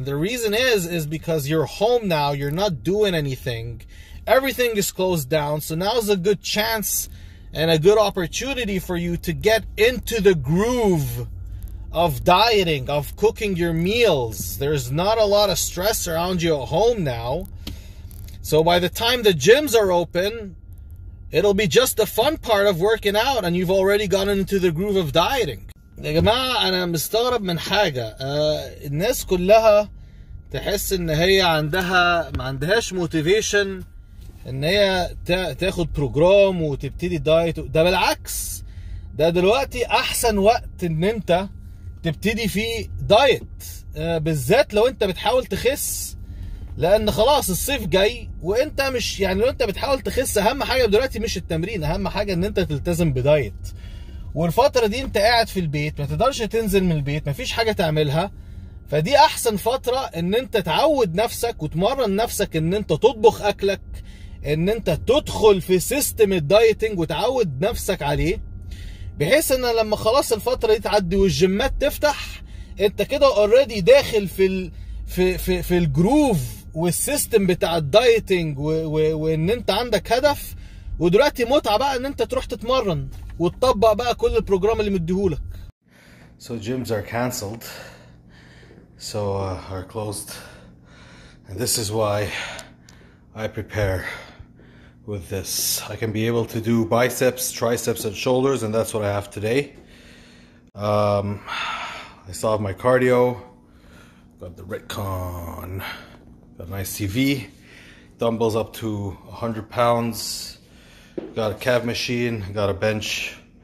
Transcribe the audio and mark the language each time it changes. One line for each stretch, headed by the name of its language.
English: And the reason is because you're home now, you're not doing anything, everything is closed down, so now's a good chance and a good opportunity for you to get into the groove of dieting, of cooking your meals. There's not a lot of stress around you at home now, so by the time the gyms are open, it'll be just the fun part of working out, and you've already gotten into the groove of dieting.
Arabic: يا جماعة أنا مستغرب من حاجة. الناس كلها تحس إن هي عندها ما عندهاش
English: motivation
Arabic: إن هي تاخد بروجرام وتبتدي دايت. ده بالعكس, ده دلوقتي أحسن وقت إن أنت تبتدي فيه دايت, بالذات لو أنت بتحاول تخس, لان خلاص الصيف جاي وانت مش يعني لو انت بتحاول تخس, اهم حاجة دلوقتي مش التمرين, اهم حاجة ان انت تلتزم بدايت. والفترة دي انت قاعد في البيت, ما تقدرش تنزل من البيت, ما فيش حاجة تعملها, فدي احسن فترة ان انت تعود نفسك وتمرن نفسك ان انت تطبخ اكلك, ان انت تدخل في سيستم الدايتنج وتعود نفسك عليه, بحيث ان لما خلاص الفترة دي تعدي والجيمات تفتح, انت كده اوريدي داخل في في الجروف والسيستم بتاع الدايتنج, وان انت عندك هدف, ودلوقتي متعه بقى ان انت تروح تتمرن وتطبق بقى كل البروجرام اللي مديهولك.
English: So gyms are canceled, so are closed, and this is why I prepare with this. I can be able to do biceps, triceps and shoulders, and that's what I have today. I still have my cardio. Got the retcon, got a nice TV, dumbbells up to 100 pounds, got a calf machine, got a bench.